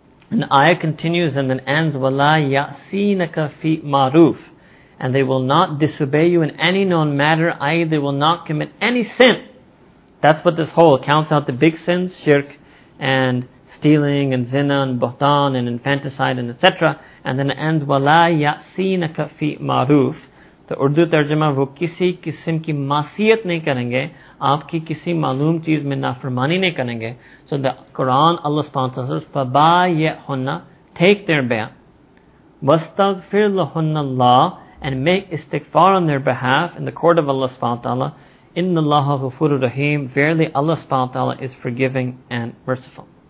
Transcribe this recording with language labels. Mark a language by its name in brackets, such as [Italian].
[English] And the ayah continues and then ends, [Arabic] Wala ya'sinaka fi maruf, [English] and they will not disobey you in any known matter, i.e. they will not commit any sin. That's what this whole counts out, the big sins, shirk and stealing and zina and buhtan and infanticide and etc. And then it ends, [Arabic] وَلَا يَأْسِينَكَ فِي maruf. [English] The Urdu tarjama, [Urdu] وہ کسی قسم کی معصیت نہیں کریں گے, آپ کی کسی معلوم چیز میں نافرمانی نہیں کریں گے. [English] So the Quran, Allah sponsors us, فَبَايَعْهُنَّ, take their bayah, [Arabic] وَاسْتَغْفِرْ لَهُنَّ اللَّهُ, [English] and make istighfar on their behalf in the court of Allah subhanahu wa ta'ala. [Arabic] إِنَّ اللَّهَ غُفُورُ الرَّحِيمُ, [English] verily Allah subhanahu wa ta'ala is forgiving and merciful.